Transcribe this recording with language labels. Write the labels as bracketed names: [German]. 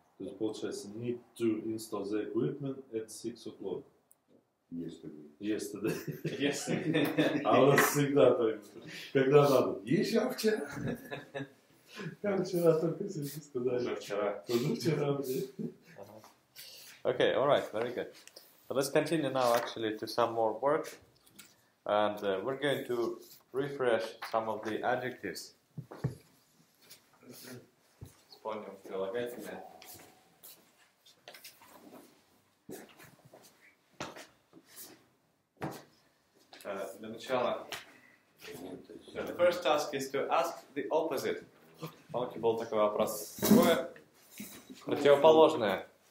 [Russian] То есть получается, [English] need to install the equipment at 6 o'clock. Yesterday. [Russian] А у нас всегда так. Когда надо? Еще вчера. Как вчера только сидишь, сказали. Уже вчера. Уже вчера, блин. [English] Okay, alright, very good. Let's continue now actually to some more work, and we're going to refresh some of the adjectives. [Russian] Вспомним прилагательные. Для начала, [English] the first task is to ask the opposite. [Russian] Помните, был такой вопрос. Какое противоположное?